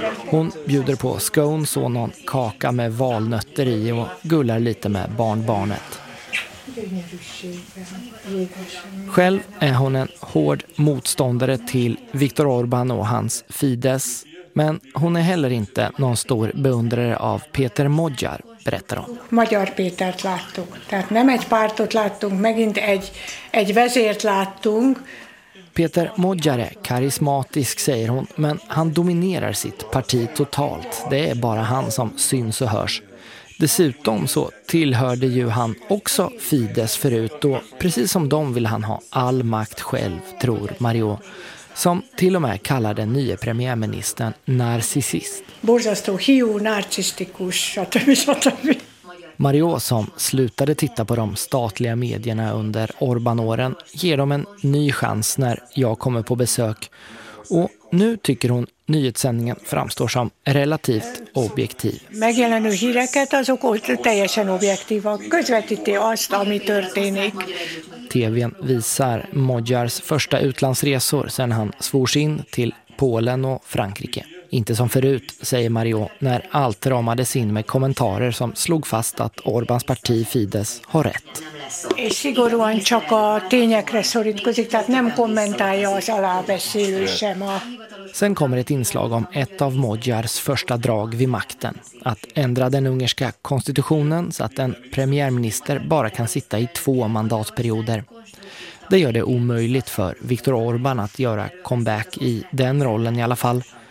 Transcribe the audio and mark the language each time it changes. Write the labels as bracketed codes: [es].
[sv] Hon bjuder på scones och någon kaka med valnötter i och gullar lite med barnbarnet. Själv är hon en hård motståndare till Viktor Orbán och hans Fidesz. Men hon är heller inte någon stor beundrare av Peter Modjar, berättar hon. [hu] Magyar Pétert láttunk. Tehát nem egy pártot láttunk, megint egy vezért láttunk. [sv] Peter Modjar är karismatisk, säger hon, men han dominerar sitt parti totalt. Det är bara han som syns och hörs. Dessutom så tillhörde ju han också Fidesz förut, och precis som de vill han ha all makt själv, tror Mario, som till och med kallar den nya premiärministern narcissist. [hu] Borzasztó hiú, narcisztikus, stb. [sv] Mario, som slutade titta på de statliga medierna under Orbán-åren, ger dem en ny chans när jag kommer på besök. Och nu tycker hon nyhetssändningen framstår som relativt objektiv. [hu] Megjelenő híreket azok teljesen objektíva, közvetíti azt, ami történik. [sv] TV:n visar Modjars första utlandsresor sen han svors in till Polen och Frankrike. Inte som förut, säger Mario, när allt ramades in med kommentarer som slog fast att Orbáns parti Fidesz har rätt. [hu] Szigorúan csak a tényekre szorítkozik, tehát nem kommentálja az alábeszélő sem. [sv] Sen kommer ett inslag om ett av Modjars första drag vid makten. Att ändra den ungerska konstitutionen så att en premiärminister bara kan sitta i två mandatperioder. Det gör det omöjligt för Viktor Orbán att göra comeback i den rollen i alla fall.